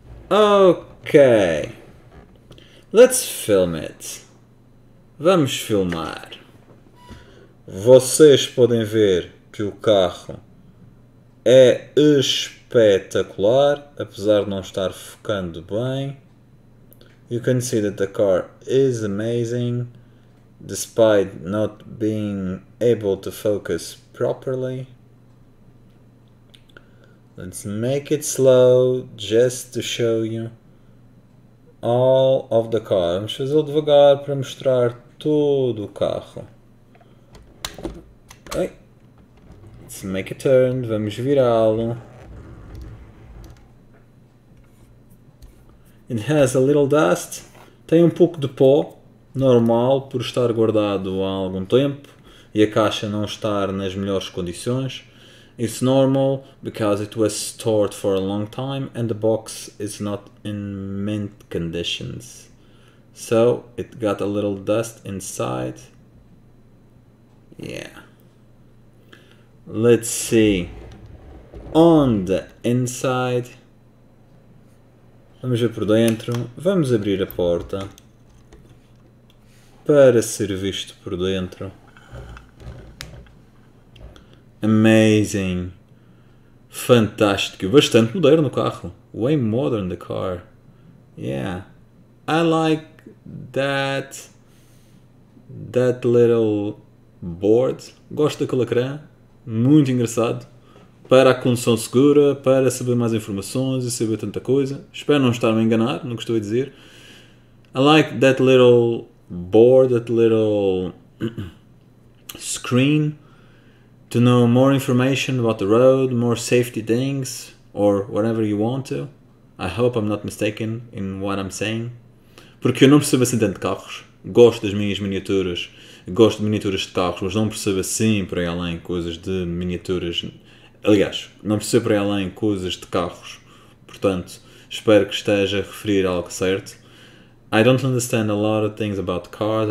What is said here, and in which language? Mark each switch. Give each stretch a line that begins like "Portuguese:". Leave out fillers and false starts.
English: Ok, let's film it.
Portuguese: Vamos filmar. Vocês podem ver que o carro é espetacular, apesar de não estar focando bem.
English: You can see that the car is amazing, despite not being able to focus properly. Let's make it slow, just to show you all of the car.
Portuguese: Vamos fazer devagar para mostrar todo o carro.
English: Oi. Let's make a turn,
Portuguese: vamos virá-lo.
English: It has a little dust.
Portuguese: Tem um pouco de pó, normal, por estar guardado há algum tempo e a caixa não estar nas melhores condições.
English: It's normal because it was stored for a long time and the box is not in mint conditions. So, it got a little dust inside. Yeah. Let's see on the inside.
Portuguese: Vamos ver por dentro. Vamos abrir a porta para ser visto por dentro.
English: Amazing.
Portuguese: Fantástico. Bastante moderno o carro.
English: Way modern the car. Yeah. I like that little board.
Portuguese: Gosto daquele ecrã. Muito engraçado, para a condução segura, para saber mais informações e saber tanta coisa. Espero não estar-me a enganar, não gostou de dizer.
English: I like that little board, that little screen to know more information about the road, more safety things, or whatever you want to. I hope I'm not mistaken in what I'm saying.
Portuguese: Porque eu não percebo assim tanto de carros. Gosto das minhas miniaturas. Gosto de miniaturas de carros, mas não percebo assim por aí além coisas de miniaturas. Aliás, não percebo por aí além coisas de carros. Portanto, espero que esteja a referir algo certo.
English: I don't understand a lot of things about cars.